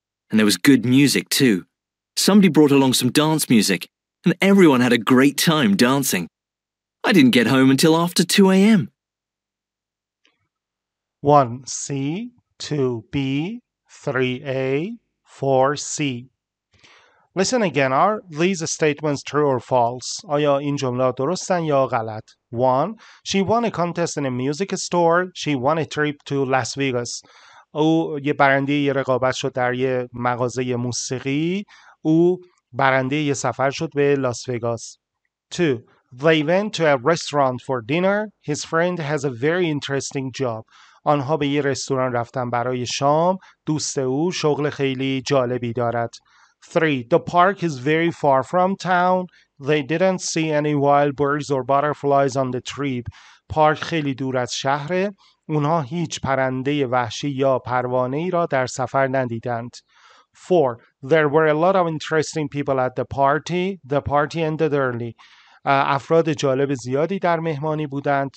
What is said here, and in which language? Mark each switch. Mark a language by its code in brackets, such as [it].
[en] And there was good music, too. Somebody brought along some dance music, and everyone had a great time dancing. I didn't get home until after 2 a.m. 1C, 2B, 3A, 4C. Listen again, are these statements true or false? [fa] آیا این جملات درستن یا غلط؟ 1. [en] She won a contest in a music store. She won a trip to Las Vegas. [fa] او یه برنده یه رقابت شد در یه مغازه موسیقی. او برنده یه سفر شد به لاس وگاس. [en] 2. They went to a restaurant for dinner. His friend has a very interesting job. [fa] آنها به یه رستوران رفتن برای شام. دوست او شغل خیلی جالبی دارد. [en] 3. The park is very far from town. They didn't see any wild birds or butterflies on the trip. [fa] Park خیلی دور از شهره. اونها هیچ پرنده وحشی یا پروانه‌ای را در سفر ندیدند. 4. [en] There were a lot of interesting people at the party. The party ended early. [fa] افراد جالب زیادی در مهمانی بودند.